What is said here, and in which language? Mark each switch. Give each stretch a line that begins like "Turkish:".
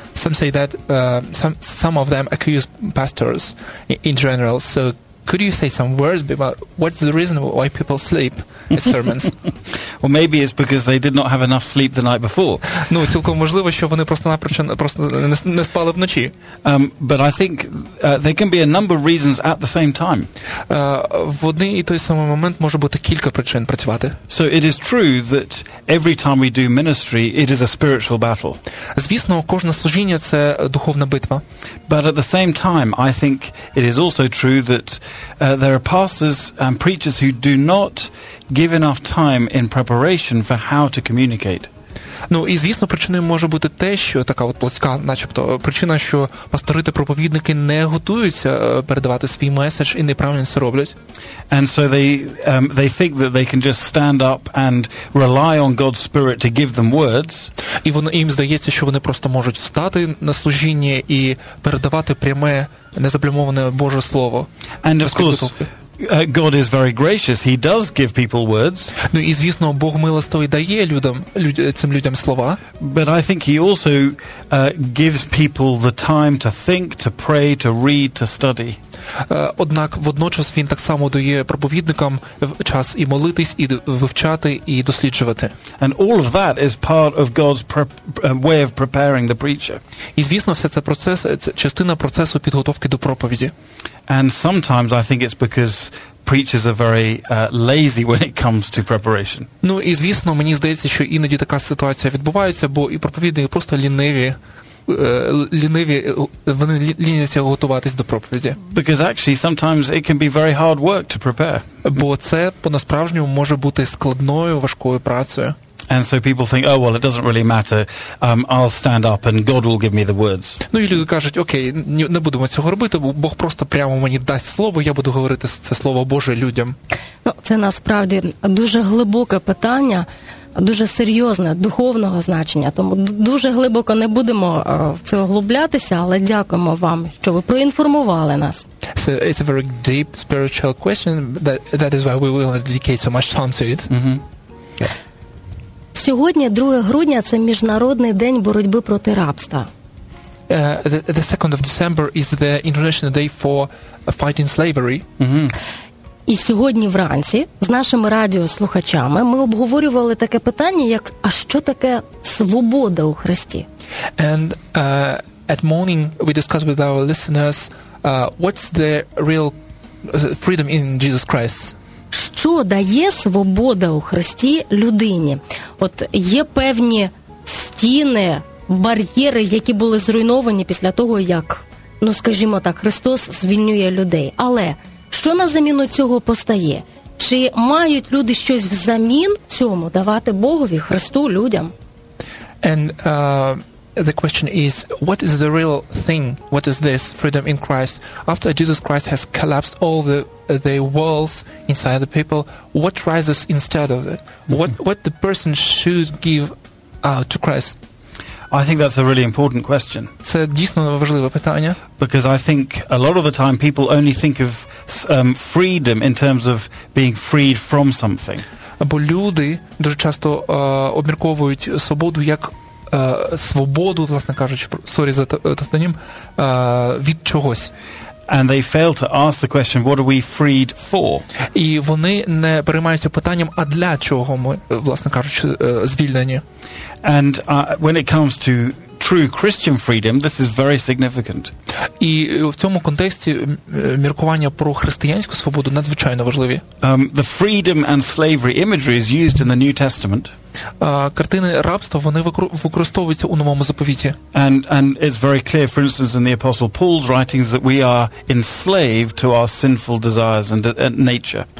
English: Some say that some of them accuse pastors in general. So could you say some words about what's the reason why people sleep at sermons? Well, maybe it's because they did not have enough sleep the night before.
Ukrainian: Ну, цілком можливо, що вони просто не спали вночі.
English: But I think there can be a number of reasons at the same time.
Ukrainian: В одній і той самий момент може бути кілька причин працювати.
English: So it is true that every time we do ministry, it is a spiritual battle.
Ukrainian: Звісно, кожне служіння – це духовна битва.
English: But at the same time, I think it is also true that there are pastors and preachers who do not give enough time in preparation for how to communicate.
Ukrainian: Ну, і, звісно, причиною може бути те, що така от плоцька, начебто, причина, що пастори та проповідники не готуються передавати свій меседж і неправильно це роблять.
English: And so they think that they can just stand up and rely on God's Spirit to give them words.
Ukrainian: І вони, їм здається, що вони просто можуть встати на служіння і передавати пряме, незаблюмоване Боже Слово.
English: And of course, God is very gracious. He does give people words.
Ukrainian: Ну, і звісно, Бог милостивий дає людям, цим людям слова.
English: But I think he also gives people the time to think, to pray, to read, to study.
Ukrainian: Однак водночас він так само дає проповідникам час і молитись, і вивчати, і досліджувати.
English: And all of that is part of God's way of preparing the preacher.
Ukrainian: І звісно, все це процес, це частина процесу підготовки до проповіді.
English: And sometimes I think it's because preachers are very lazy when it comes to preparation.
Ukrainian: Ну, і звісно, мені здається, що іноді така ситуація відбувається, бо і проповідники просто ліниві. Ліниві, вони ліняться готуватись до проповіді.
English: Because actually sometimes it can be very hard work to prepare.
Ukrainian: Бо це по-насправжньому може бути складною, важкою працею.
English: And so people think, oh well, it doesn't really matter. I'll stand up and God will give me the words.
Ukrainian: Ну, і люди кажуть, окей, не будемо цього робити, бо Бог просто прямо мені дасть слово, я буду говорити це слово Боже людям. Ну, це насправді дуже глибоке питання, дуже серйозне, духовного значення. Тому дуже глибоко не будемо в це углублятися, але дякуємо вам, що ви проінформували нас.
English: So it's a very deep spiritual question, that is why we will dedicate so much time to it. Mm-hmm.
Ukrainian: Сьогодні, 2 грудня, це Міжнародний день боротьби проти рабства.
English: The 2nd of December is the International Day for Fighting Slavery. Mm-hmm.
Ukrainian: І сьогодні вранці з нашими радіослухачами ми обговорювали таке питання, як «А що таке свобода у Христі?»
English: And at morning we discussed with our listeners what's the real freedom in Jesus Christ?
Ukrainian: Що дає свобода у Христі людині? От є певні стіни, бар'єри, які були зруйновані після того, як, ну скажімо так, Христос звільнює людей. Але що на заміну цього постає? Чи мають люди щось взамін цьому давати Богові, Христу, людям?
English: And the question is, what is the real thing? What is this freedom in Christ? After Jesus Christ has collapsed all the walls inside the people, what rises instead of it? What the person should give to Christ? I think that's a really important question.
Ukrainian: Це дійсно важливе питання.
English: Because I think a lot of the time people only think of freedom in terms of being freed from something.
Ukrainian: Бо люди дуже часто обмірковують свободу як свободу, власне кажучи, sorry за тавтонім, від чогось.
English: And they fail to ask the question, what are we freed for?
Ukrainian: І вони не переймаються питанням, а для чого ми, власне кажучи, звільнені?
English: And when it comes to true Christian freedom, this is very significant.
Ukrainian: І в цьому контексті міркування про християнську свободу надзвичайно важливі.
English: The freedom and slavery imagery is used in the New Testament.
Ukrainian: Картини рабства, вони використовуються у Новому Заповіті.
English: And it's very clear, for instance, in the Apostle Paul's writings that we are enslaved to our sinful desires and nature.